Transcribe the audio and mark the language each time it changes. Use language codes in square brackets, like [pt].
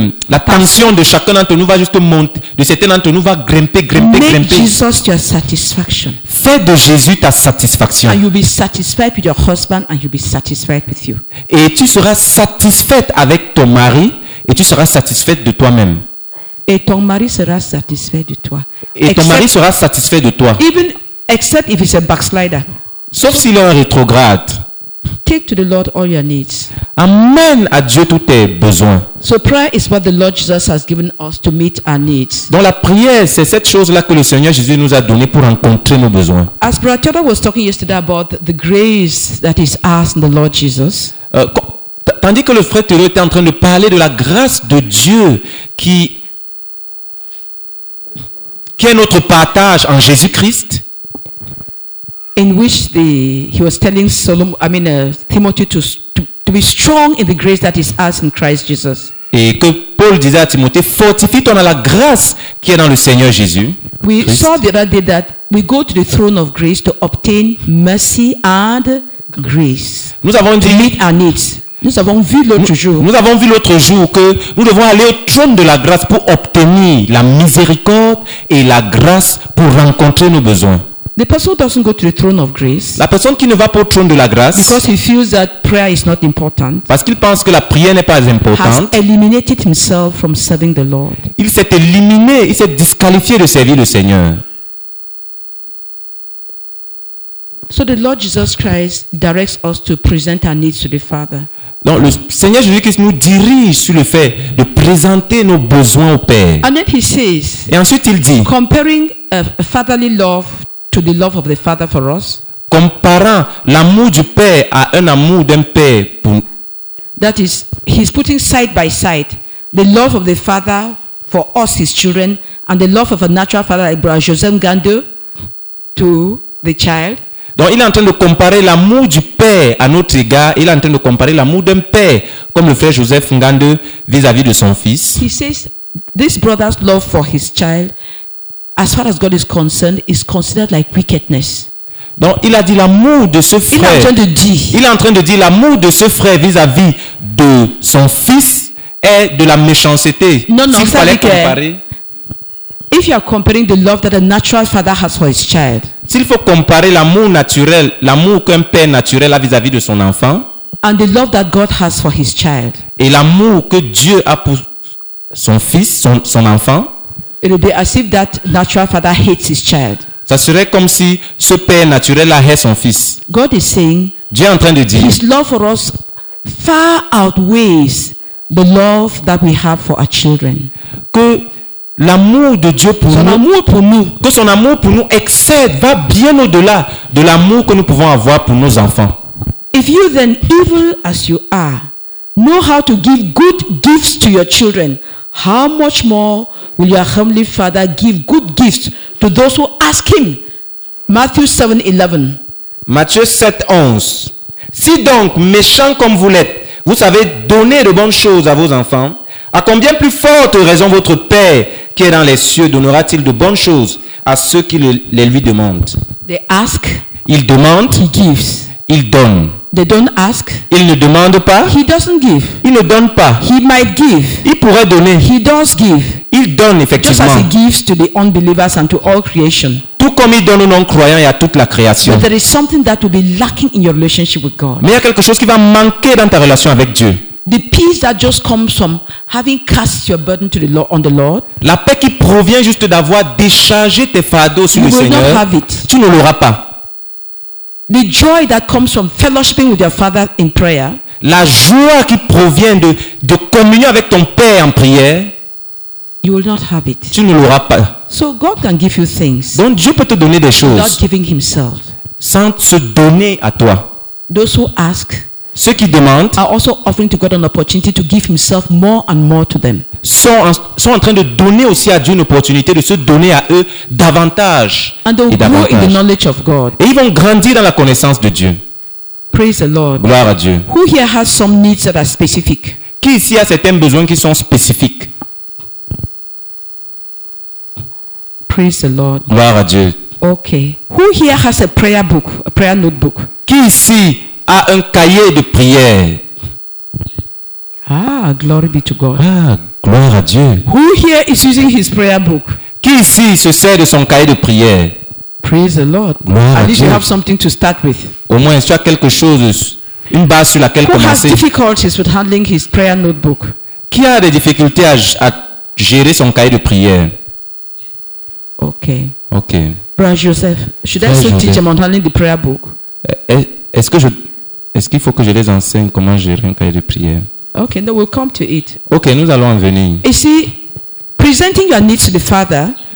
[fr] La tension de chacun d'entre nous va juste monter, de certains d'entre nous va grimper. [en] Make [fr] grimper. [en] Jesus your satisfaction. [fr] Fais de Jésus ta satisfaction. [en] And you'll be satisfied with your husband, and you'll be satisfied with you. [fr] Et tu seras satisfaite avec ton mari. Et tu seras satisfaite de toi-même. Et ton mari sera satisfait de toi. [en] Even except if he's a backslider. [fr] Sauf s'il est un rétrograde. [en] Take to the Lord all your needs. [fr] Amène à Dieu tous tes besoins. [en] So prayer is what the Lord Jesus has given us to meet our needs. [fr] Donc la prière, c'est cette chose-là que le Seigneur Jésus nous a donné pour rencontrer nos besoins. [en] As Brother Tiaba was talking yesterday about the grace that is asked in the Lord Jesus. [fr] Tandis que le frère Théo était en train de parler de la grâce de Dieu qui est notre partage en Jésus-Christ. [en] In which he was telling Solomon, Timothy to be strong in the grace that is ours in Christ Jesus. [fr] Et que Paul disait à Timothée, fortifie-toi dans la grâce qui est dans le Seigneur Jésus. [en] We saw the other day that we go to the throne of grace to obtain mercy and grace. [fr] Nous avons dit, [en] to meet our needs. [fr] Nous avons vu l'autre jour. Nous avons vu l'autre jour que nous devons aller au trône de la grâce pour obtenir la miséricorde et la grâce pour rencontrer nos besoins. [en] The person doesn't go to the throne of grace. [fr] La personne qui ne va pas au trône de la grâce. [en] Because he feels that prayer is not important. [fr] Parce qu'il pense que la prière n'est pas importante. [en] Has eliminated himself from serving the Lord. [fr] Il s'est disqualifié de servir le Seigneur. [en] So the Lord Jesus Christ directs us to present our needs to the Father. [fr] Donc le Seigneur Jésus-Christ nous dirige sur le fait de présenter nos besoins au Père. [en] And then he says, [fr] et ensuite il dit, [en] comparing a fatherly love to the love of the Father for us, [fr] comparant l'amour du Père à un amour d'un Père pour nous. [en] That is, he's putting side by side the love of the Father for us, his children, and the love of a natural father like Brother Joseph Gandu to the child. [fr] Donc il est en train de comparer l'amour du père à notre égard. Il est en train de comparer l'amour d'un père comme le frère Joseph Ngande vis-à-vis de son fils. [en] He says this brother's love for his child, as far as God is concerned, is considered like wickedness. [fr] Donc il a dit l'amour de ce frère. Il est en train de dire l'amour de ce frère vis-à-vis de son fils est de la méchanceté. Non, s'il fallait comparer. [en] If you are comparing the love that a natural father has for his child, [fr] s'il faut comparer l'amour naturel, l'amour qu'un père naturel a vis-à-vis de son enfant, [en] and the love that God has for his child, [fr] et l'amour que Dieu a pour son fils, son enfant, [en] it would be as if that natural father hates his child. [fr] Ça serait comme si ce père naturel a hait son fils. [en] God is saying, [fr] Dieu est en train de dire, [en] his love for us far outweighs the love that we have for our children. [fr] Que l'amour de Dieu pour son nous, amour pour nous, que son amour pour nous excède, va bien au-delà de l'amour que nous pouvons avoir pour nos enfants. [en] If you then evil as you are, know how to give good gifts to your children, how much more will your heavenly Father give good gifts to those who ask him? Matthew 7:11. [fr] Matthieu 7:11. Si donc, méchants comme vous l'êtes, vous savez donner de bonnes choses à vos enfants, à combien plus forte raison votre Père qui est dans les cieux donnera-t-il de bonnes choses à ceux qui les lui demandent? [en] They ask. [fr] Ils demandent. [en] He gives. [fr] Ils donnent. [en] They don't ask. [fr] Ils ne demandent pas. [en] He doesn't give. [fr] Ils ne donnent pas. [en] He might give. [fr] Il pourrait donner. [en] He does give. [fr] Il donne effectivement. [en] Just as he gives to the unbelievers and to all creation. [fr] Tout comme il donne aux non-croyants et à toute la création. [en] But there is something that will be lacking in your relationship with God. [fr] Mais il y a quelque chose qui va manquer dans ta relation avec Dieu. [en] The peace that just comes from having cast your burden to the Lord, on the Lord. [fr] La paix qui provient juste d'avoir déchargé tes fardeaux sur le Seigneur. [en] You will not have it. [fr] Tu ne l'auras pas. [en] The joy that comes from fellowshipping with your Father in prayer. [fr] La joie qui provient de communion avec ton Père en prière. [en] You will not have it. [fr] Tu ne l'auras pas. [en] So God can give you things. [fr] Donc Dieu peut te donner des choses. [en] Without giving himself. [fr] Sans se donner à toi. [en] Those who ask. [fr] Ceux qui demandent. [en] Are also offering to God an opportunity to give himself more and more to them. [fr] Sont en train de donner aussi à Dieu une opportunité de se donner à eux davantage [en] and [fr] et davantage. [en] Grow in the knowledge of God. [fr] Et ils vont grandir dans la connaissance de Dieu. [en] Praise the Lord. [fr] Gloire à Dieu. [en] Who here has some needs that are specific? [fr] Qui ici a certains besoins qui sont spécifiques? [en] Praise the Lord. [fr] Gloire à Dieu. [en] Okay. Who here has a prayer book, a prayer notebook? [fr] Qui ici a un cahier de prière? [en] Ah, glory be to God. [fr] Ah, gloire à Dieu. [en] Who here is using his prayer book? [fr] Qui ici se sert de son cahier de prière? [en] Praise the Lord. [fr] Gloire à [en] At least you have something to start with. [fr] Au moins, tu as quelque chose, une base sur laquelle [en] Who [fr] commencer. [en] Who has difficulties with handling his prayer notebook? [fr] Qui a des difficultés à gérer son cahier de prière? [en] Okay. Okay. Brother Joseph, should Frère I still teach him on handling the prayer book? [fr] Est-ce qu'il faut que je les enseigne comment gérer un cahier de prière? [en] Okay, then we'll come to it. [fr] Okay, nous allons en venir. [en] You see, presenting your needs to the Father.